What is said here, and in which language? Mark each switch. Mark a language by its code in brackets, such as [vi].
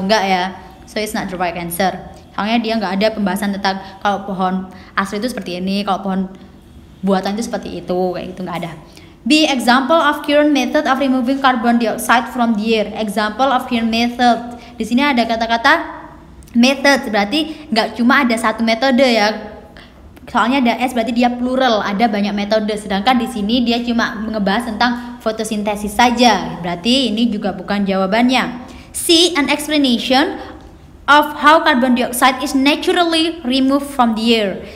[id] Enggak ya, [en] so it's not the right answer. [id] Soalnya dia nggak ada pembahasan tentang kalau pohon asli itu seperti ini, kalau pohon buatan itu seperti itu, kayak gitu, nggak ada. [en] B, example of current method of removing carbon dioxide from the air. Example of current method. [id] Di sini ada kata-kata method, berarti nggak cuma ada satu metode ya. Soalnya ada S, berarti dia plural, ada banyak metode. Sedangkan di sini dia cuma ngebahas tentang fotosintesis saja. Berarti ini juga bukan jawabannya. [en] C, an explanation of how carbon dioxide is naturally removed from the air.